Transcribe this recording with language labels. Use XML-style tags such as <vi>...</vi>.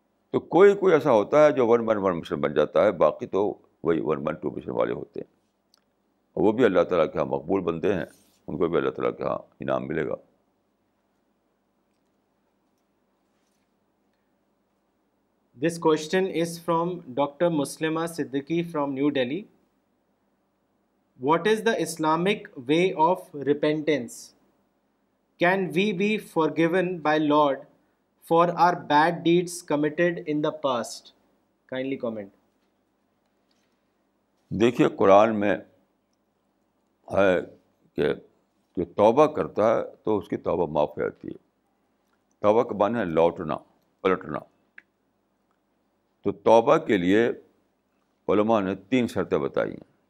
<ur>تو کوئی کوئی ایسا ہوتا ہے جو ون مین ون مشن بن جاتا ہے, باقی تو وہی ون مین ٹو مشن والے ہوتے ہیں. اور وہ بھی اللہ تعالیٰ کے ہاں مقبول بنتے ہیں, ان کو بھی اللہ تعالیٰ کے ہاں انعام ملے گا.</ur> <en>This question is from Dr. Muslima Siddiqui from New Delhi. What is the Islamic way of repentance? Can we be forgiven by Lord for our bad deeds committed in the past? Kindly comment.</en> <ur>دیکھیے, قرآن میں ہے کہ جو توبہ کرتا ہے تو اس کی توبہ معاف ہو جاتی ہے. توبہ کے معنی ہے لوٹنا, پلٹنا. تو توبہ کے لیے علماء نے تین شرطیں بتائی ہیں.</ur>